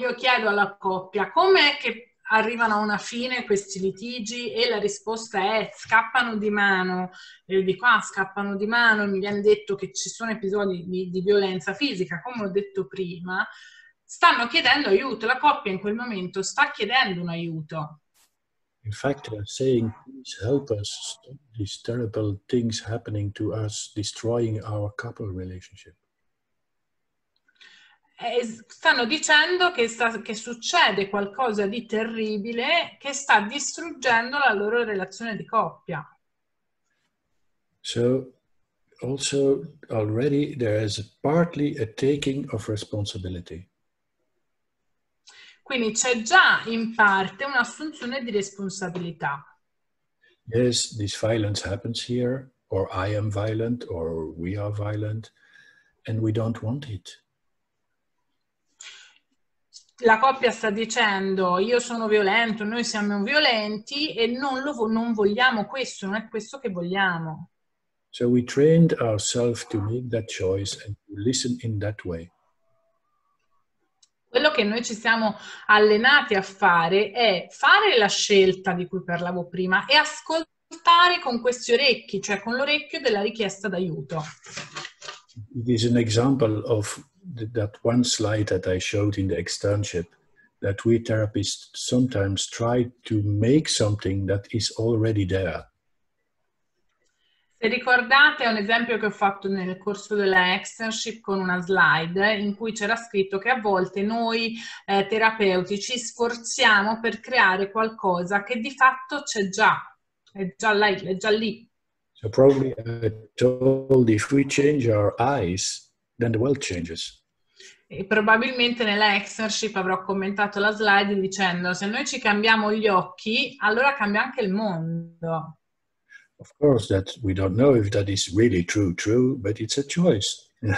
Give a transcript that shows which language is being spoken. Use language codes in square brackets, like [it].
[it] Io chiedo alla coppia com'è che arrivano a una fine questi litigi e la risposta è scappano di mano, e io dico scappano di mano, e mi viene detto che ci sono episodi di violenza fisica, come ho detto prima, stanno chiedendo aiuto, la coppia in quel momento sta chiedendo un aiuto. [en] In fact, they're saying, please help us, stop these terrible things happening to us, destroying our couple relationship. [it] Stanno dicendo che succede qualcosa di terribile che sta distruggendo la loro relazione di coppia. [en] So, also, already there is partly a taking of responsibility. [it] Quindi c'è già in parte un'assunzione di responsabilità. [en] Yes, this violence happens here, or I am violent, or we are violent, and we don't want it. [it] La coppia sta dicendo io sono violento, noi siamo violenti e non vogliamo questo, non è questo che vogliamo. [en] So we trained ourselves to make that choice and to listen in that way. [it] Quello che noi ci siamo allenati a fare è fare la scelta di cui parlavo prima e ascoltare con questi orecchi, cioè con l'orecchio della richiesta d'aiuto. [en] It is an example of that one slide that I showed in the externship, that we therapists sometimes try to make something that is already there. [it] Se ricordate un esempio che ho fatto nel corso della externship con una slide in cui c'era scritto che a volte noi terapeuti ci sforziamo per creare qualcosa che di fatto c'è già, è già lì. [en] So probably I told if we change our eyes, then the world changes. [it] E probabilmente nella externship avrò commentato la slide dicendo se noi ci cambiamo gli occhi, allora cambia anche il mondo. [en] Of course that we don't know if that is really true, but it's a choice.